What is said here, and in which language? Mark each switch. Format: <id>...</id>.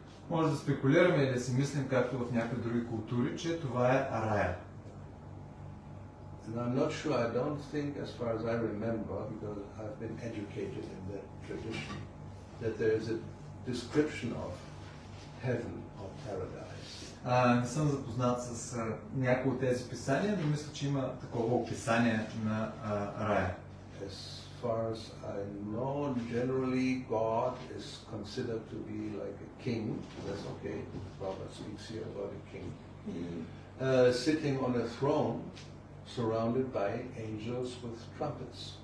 <bg>Може да спекулираме или да си мислим, както в някои други култури, че това е рая.</bg> <en>And I'm not sure, I don't think, as far as I remember, because I've been educated in that tradition, that there is a description of heaven or paradise.</en> <bg>Не съм запознат с някои от тези писания, но мисля, че има такова описание на рая.</bg> <en>As far as I know, generally God is considered to be like a king, that's okay, Baba speaks here about a king, sitting on a throne, surrounded by angels with trumpets.</en>